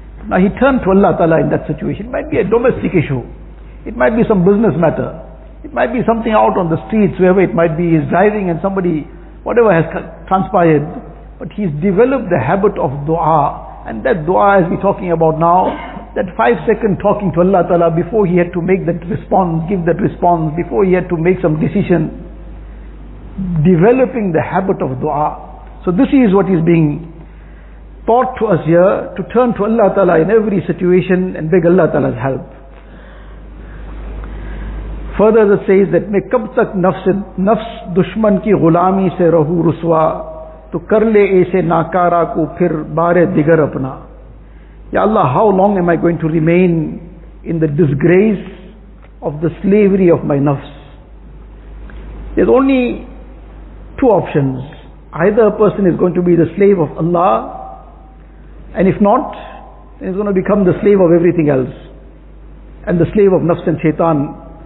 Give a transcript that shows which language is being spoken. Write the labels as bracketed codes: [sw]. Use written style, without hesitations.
[en] Now he turned to Allah Ta'ala in that situation. It might be a domestic issue, it might be some business matter, it might be something out on the streets, wherever it might be, he's driving and somebody, whatever has transpired, but he's developed the habit of dua, and that dua as we're talking about now, that 5 second talking to Allah Ta'ala before he had to make that response, give that response, before he had to make some decision, developing the habit of dua. So this is what is being taught to us here, to turn to Allah Ta'ala in every situation and beg Allah Ta'ala's help. Further it says that, [ur] میں کب تک نفس دشمن کی غلامی سے رہو رسوا تو کر لے ایسے ناکارا کو پھر بارے دیگر اپنا. [en] Ya Allah, how long am I going to remain in the disgrace of the slavery of my nafs? There's only two options. Either a person is going to be the slave of Allah, and if not, then he's going to become the slave of everything else, and the slave of nafs and shaitan.